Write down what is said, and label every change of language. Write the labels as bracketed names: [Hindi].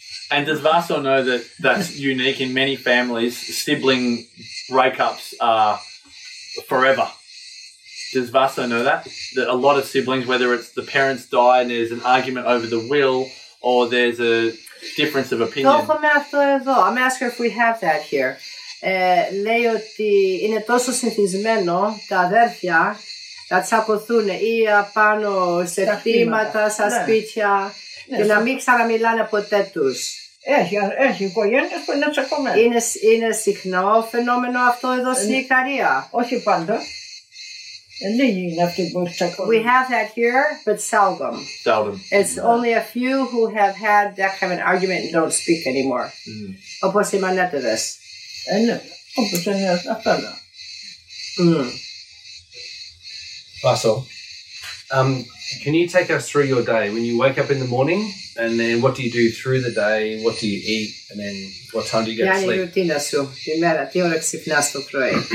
[English] And does Vasso know that's unique in many families? Sibling breakups are forever. Does Vasso know that a lot of siblings, whether it's the parents die and there's an argument over the will or there's a difference of opinion? [Greek] Το έχουμε αυτό εδώ. [English] I'm asking if we have that here. [Greek] Λέει ότι είναι τόσο συνηθισμένο τα αδέρφια να τσακωθούν ή πάνω σε χτήματα, στα σπίτια και να μην ξαναμιλάνε ποτέ τους. Έχει οικογένειες που είναι τσακωμένες. Είναι συχνό φαινόμενο αυτό εδώ στην Ικαρία? Όχι πάντα. [English] We have that here, but seldom. Seldom. It's only a few who have had that kind of an argument and don't speak anymore. [Greek] Όπως η Μανέτα της. Όπως είναι αυτά. [English] Vasso, can you take us through your day? When you wake up in the morning, and then what do you do through the day? What do you eat? And then what time do you get to sleep? [Greek] Ποια είναι η ρουτίνα σου τη μέρα, τι ώρα ξυπνάς το πρωί?